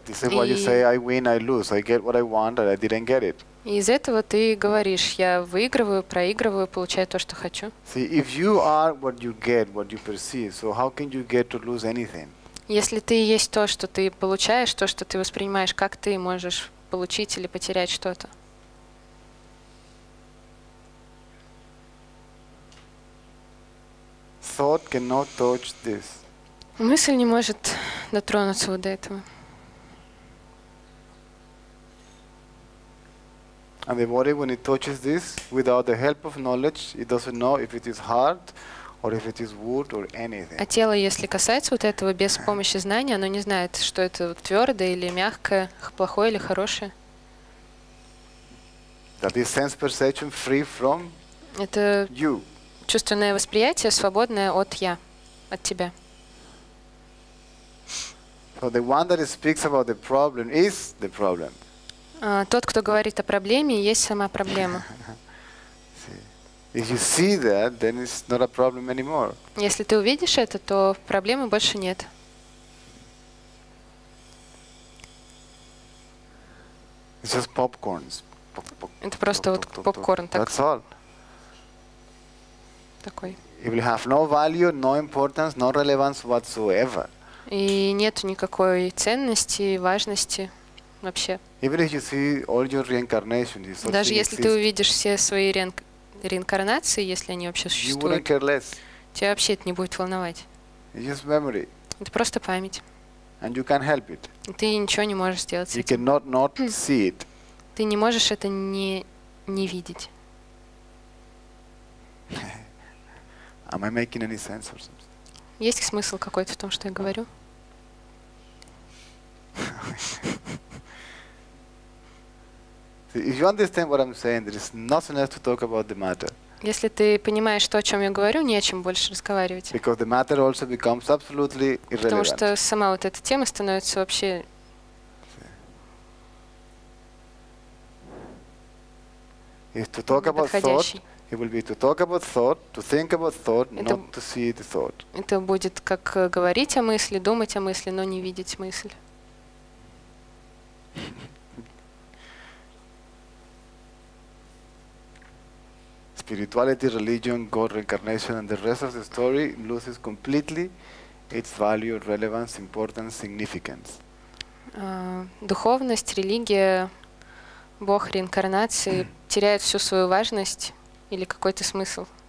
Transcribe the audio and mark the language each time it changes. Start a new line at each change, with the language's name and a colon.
English: This is what you say, I win, I lose. I get what I want, or I didn't get it.
Russian: И из этого ты говоришь, я выигрываю, проигрываю, получаю то, что хочу.
English: See, if you are what you get, what you perceive, so how can you get to lose anything?
Russian: Если ты есть то, что ты получаешь, то, что ты воспринимаешь, как ты можешь получить или потерять что-то.
English: Thought cannot touch this.
Russian: Мысль не может дотронуться вот до этого.
English: And the body, when it touches this, without the help of knowledge, it doesn't know if it is hard or if it is wood or anything.
Russian: А тело, если касается вот этого без помощи знания, оно не знает, что это твердое или мягкое, плохое или хорошее.
English: That is sense perception free from
Russian: это
English: you.
Russian: Чувственное восприятие, свободное от я, от тебя.
English: So the one that speaks about the problem is the problem.
Russian: Тот, кто говорит о проблеме, есть сама проблема.
English: If you see that, then it's not a problem anymore.
Russian: Если ты увидишь это, то проблемы больше нет.
English: It's just popcorns.
Russian: Это просто вот попкорн так.
English: That's all.
Russian: Такой.
English: It will have no value, no importance, no relevance whatsoever.
Russian: И нет никакой ценности, важности вообще.
English: Even if you see all your reincarnations, you
Russian: даже если ты увидишь все свои реинкарнации, если они вообще существуют,
English: you wouldn't care less.
Russian: Тебя вообще это не будет волновать.
English: It's just memory.
Russian: Это просто память.
English: And you can't help it.
Russian: Ты ничего не можешь сделать с этим.
English: You cannot not see it.
Russian: Ты не можешь это не видеть.
English: Am I making any sense or something?
Russian: Есть смысл какой-то в том, что я говорю?
English: If you understand what I'm saying, there is nothing else to talk about the matter.
Russian: Если ты понимаешь то, о чем я говорю, не о чем больше разговаривать.
English: Because the matter also becomes absolutely irrelevant.
Russian: Потому что сама вот эта тема становится вообще.
English: If to talk about thought, it will be to talk about thought, to think about thought, not to see the thought.
Russian: Это будет как говорить о мысли, думать о мысли, но не видеть мысль.
English: Spirituality, religion, God, reincarnation, and the rest of the story loses completely its value, relevance, importance, significance.
Russian: Духовность, религия, Бог, реинкарнации теряют всю свою важность или какой-то смысл.